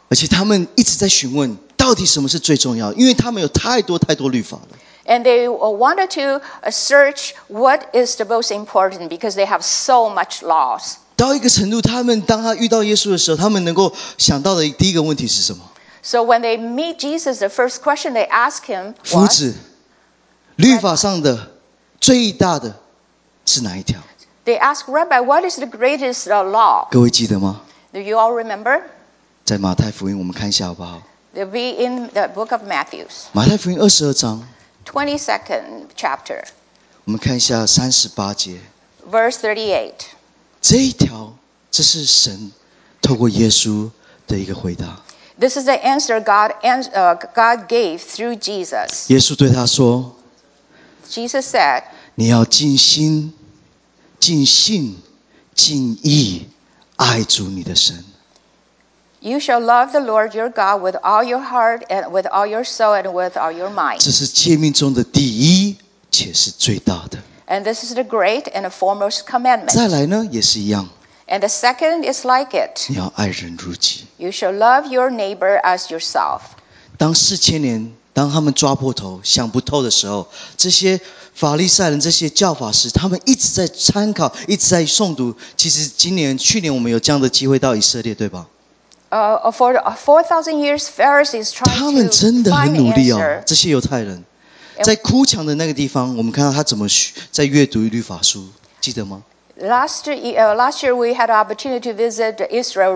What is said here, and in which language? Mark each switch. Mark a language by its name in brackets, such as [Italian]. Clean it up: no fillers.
[Chinese] 而且他们一直在询问，到底什么是最重要？因为他们有太多太多律法了。 [English] And they wanted to search what is the most important because they have so much laws. [Chinese] 到一个程度，他们当他遇到耶稣的时候，他们能够想到的第一个问题是什么 [English] ？So when they meet Jesus, the first question they ask him was, [Chinese] 夫子，律法上的最大的是哪一条 [English] ？They ask Rabbi, what is the greatest law? [Chinese] 各位记得吗 [English] ？Do you all remember? [Chinese] 在马太福音，我们看一下好不好 [English] ？They'll be in the book of Matthew. [Chinese] 马太福音22章 [English] 22nd chapter. [Chinese] 我们看一下38节 [English] Verse 38. [Chinese] 这一条，这是神透过耶稣的一个回答。 [English] This is the answer God gave through Jesus. [Chinese] 耶稣对他说 [English] ，Jesus said, [Chinese] 你要尽心、尽性、尽意爱主你的神。 [English] You shall love the Lord your God with all your heart and with all your soul and with all your mind. [Chinese] 这是诫命中的第一，且是最大的。 [English] And this is the great and the foremost commandment. [Chinese] 再来呢，也是一样。 [English] And the second is like it. [Chinese] 你要爱人如己。 [English] You shall love your neighbor as yourself. [Chinese] 当四千年，当他们抓破头、想不透的时候，这些法利赛人、这些教法师，他们一直在参考、一直在诵读。其实今年、去年我们有这样的机会到以色列，对吧？ [English] For 4,000 years, Pharisees trying to find answer. [Chinese] 他们真的很努力哦，这些犹太人。在哭墙的那个地方，我们看到他怎么在阅读律法书，记得吗 [English] ？Last year we had an opportunity to visit Israel.